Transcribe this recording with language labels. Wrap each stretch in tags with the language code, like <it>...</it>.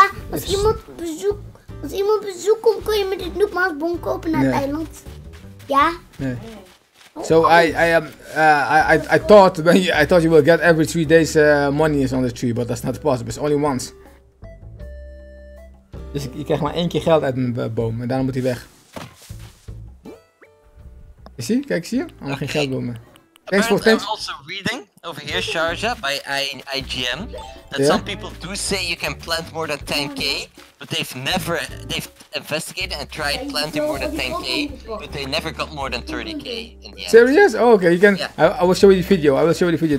<nl>Als iemand bezoek komt, kun je met het noekmaasbon kopen naar het eiland. Ja? Nee.</nl> <en>So I thought you will get every 3 days money is on the tree, but that's not possible. It's only once.</en> <nl>Dus je krijgt maar één keer geld uit een boom en daarna moet hij weg. Je ziet? Kijk, zie je? Allemaal geen geldbomen.</nl> <en>Apparently, I'm also reading over here, Sharjah, by IGN, that some people do say you can plant more than 10k, but they've investigated and tried planting more than 10k, but they never got more than 30k in the end. Serious? Oh, okay, you can. Yeah. I will show you the video.</en>